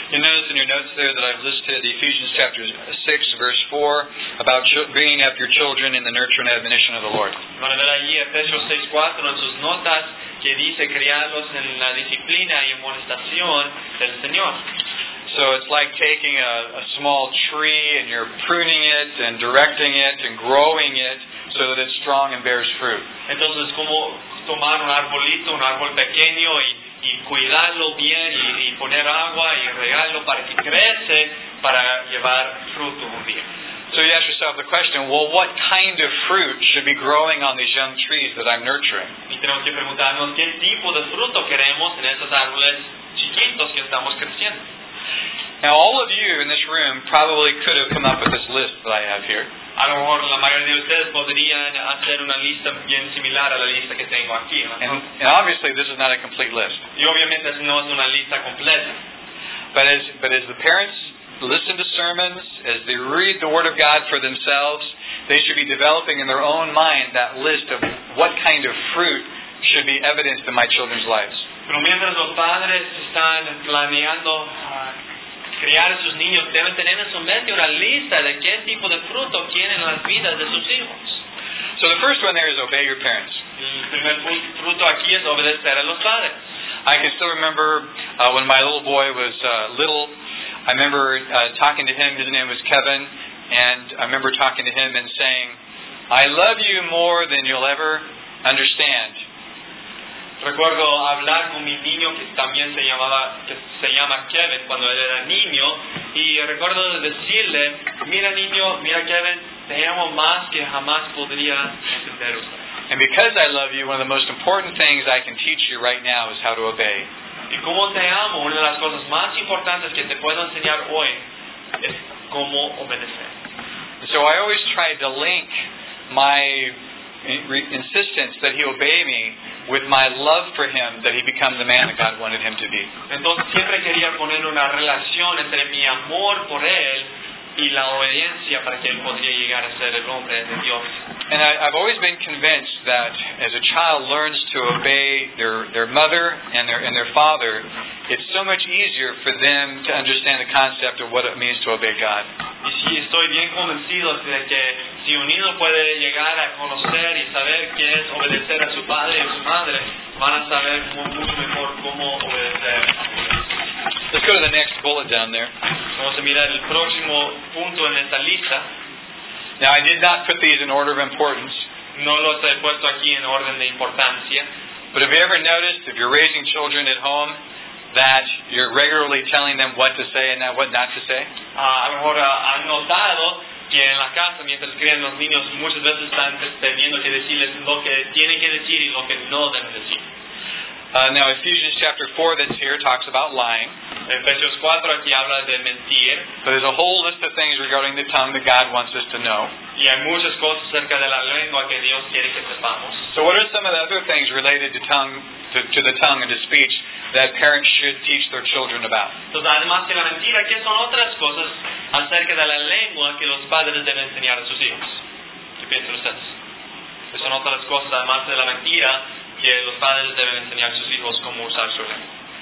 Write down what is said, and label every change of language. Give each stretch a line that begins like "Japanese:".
English: You notice in your notes there that I've listed Ephesians chapter 6, verse 4, about bringing up your children in the nurture and admonition of the Lord.
Spanish: Van a ver allí Efesios 6, 4 en sus notas que dice criarlos en la disciplina y amonestación del Señor.
English: So it's like taking a small tree and you're pruning it and directing it and growing it so that it's strong and bears fruit.
Spanish: Entonces como tomar un arbolito, un árbol pequeño y cuidarlo bien y poner agua y regarlo para que crece para llevar fruto un día.
English: So you ask yourself the question, well, what kind of fruit should be growing on these young trees that I'm nurturing?
Spanish: Y tenemos que preguntarnos qué tipo de fruto queremos en esos árboles chiquitos que estamos creciendo.
English: Now, all of you in this room probably could have come up with this list that I have here.
Spanish: A lo mejor la mayoría de ustedes podrían hacer una lista bien similar a la lista que tengo aquí. ¿No?
English: And obviously, this is not a complete list.
Spanish: Y obviamente, no es una lista completa.
English: But as the parents listen to sermons, as they read the Word of God for themselves, they should be developing in their own mind that list of what kind of fruit should be evidenced in my children's lives.
Spanish: Pero mientras los padres están planeando criar a sus niños, deben tener en su mente una lista de qué tipo de fruto tienen las vidas de sus hijos.
English: So the first one there is obey your parents.
Spanish: El primer fruto aquí es obedecer a los padres.
English: I can still remember when my little boy was little, I remember talking to him, his name was Kevin, and I remember talking to him and saying, I love you more than you'll ever understand.
Spanish: Recuerdo hablar con mi niño que también se llama Kevin cuando él era niño y recuerdo decirle, mira niño, mira Kevin, te amo más que jamás podría entender usted.
English: And because I love you, one of the most important things I can teach you right now is how to obey.
Spanish: Y como te amo, una de las cosas más importantes que te puedo enseñar hoy es cómo obedecer.
English: So I always try to link my insistence that he obey me with my love for him, that he become the man that God wanted him to be.
Spanish: Entonces siempre quería poner una relación entre mi amor por él y la obediencia para que él podría llegar a ser el hombre de Dios.
English: And I've always been convinced that as a child learns to obey their mother and their father, it's so much easier for them to understand the concept of what it means to obey God.
Spanish: Y sí, estoy bien convencido de que si un niño puede llegar a conocer y saber qué es obedecer a su padre y a su madre, van a saber mucho mejor cómo obedecer a Dios.
English: Let's go to the next bullet down there.
Spanish: Vamos a mirar el próximo punto en esta lista.
English: Now, I did not put these in order of importance.
Spanish: No los he puesto aquí en orden de importancia.
English: But have you ever noticed, if you're raising children at home, that you're regularly telling them what to say and what not to say?
Spanish: Han notado que en la casa, mientras crían los niños, muchas veces están teniendo que decirles lo que tienen que decir y lo que no deben decir.
English: Now, Ephesians chapter 4 that's here talks about lying.
Spanish: Efesios 4 aquí habla de mentir.
English: But there's a whole list of things regarding the tongue that God wants us to know.
Spanish: Y hay muchas cosas acerca de la lengua que Dios quiere que sepamos.
English: So what are some of the other things related to tongue, to the tongue and to speech that parents should teach their children about?
Spanish: Entonces, además de la mentira, ¿qué son otras cosas acerca de la lengua que los padres deben enseñar a sus hijos? ¿Qué piensan ustedes? ¿Qué son otras cosas además de la mentira que los padres deben enseñar a sus hijos cómo usar su lengua?